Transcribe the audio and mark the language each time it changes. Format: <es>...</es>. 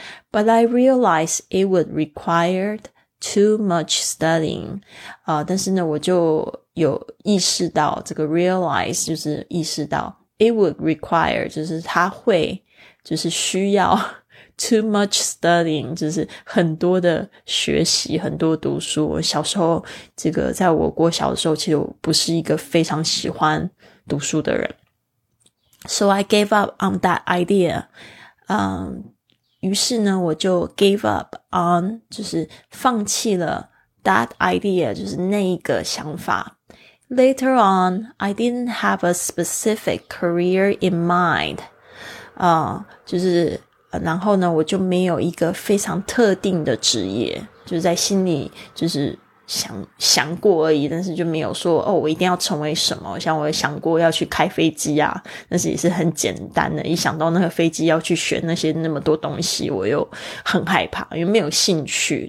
<en>But I realized it would requiredToo much studying,</en> <zh>但是呢我就有意识到这个 realize, 就是意识到</zh> <en>it would require,</en> <zh>就是它会就是需要</zh> <en>too much studying,</en> <zh>就是很多的学习，很多读书。我小时候这个在我国小的时候其实我不是一个非常喜欢读书的人。</zh> <en>So I gave up on that idea,</en> <zh>于是呢我就</zh> <en>gave up on,</en> <zh>就是放弃了</zh> <en>that idea,</en> <zh>就是那一个想法。</zh> <en>Later on, I didn't have a specific career in mind.</en> <zh>就是然后呢我就没有一个非常特定的职业，就是在心里就是想过而已，但是就没有说哦我一定要成为什么，像我想过要去开飞机啊，但是也是很简单的，一想到那个飞机要去学那些那么多东西我又很害怕，因为没有兴趣。</zh>